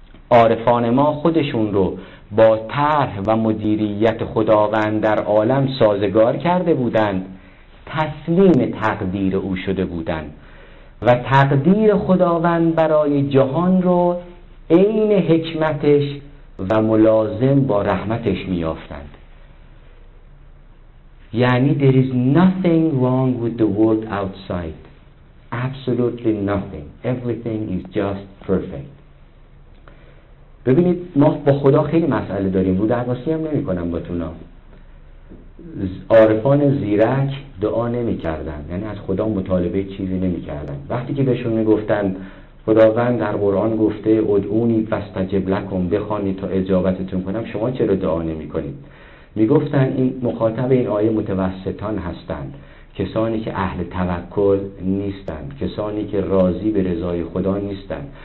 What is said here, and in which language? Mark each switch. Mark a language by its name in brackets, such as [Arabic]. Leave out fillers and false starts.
[Persian] عارفان ما خودشون رو با طرح و مدیریت خداوند در عالم سازگار کرده بودند، تسلیم تقدیر او شده بودند و تقدیر خداوند برای جهان رو عین حکمتش و ملازم با رحمتش می‌یافتند. [English] یعنی there is nothing wrong with the world outside. Absolutely nothing. Everything is just perfect. [Persian] ببینید ما با خدا خیلی مسئله داریم، رو درواسی هم نمی کنم با تونا. عارفان زیرک دعا نمی کردن، یعنی از خدا مطالبه چیزی نمی کردن. وقتی که بهشون می گفتن خداوند در قرآن گفته [Arabic] ادعونی فاستجب لکم، [Persian] بخوانید تا اجابتتون کنم، شما چرا دعا نمی کنید؟ می گفتن این مخاطب این آیه متوسطان هستند، کسانی که اهل توکل نیستن، کسانی که راضی به رضای خدا نیستن.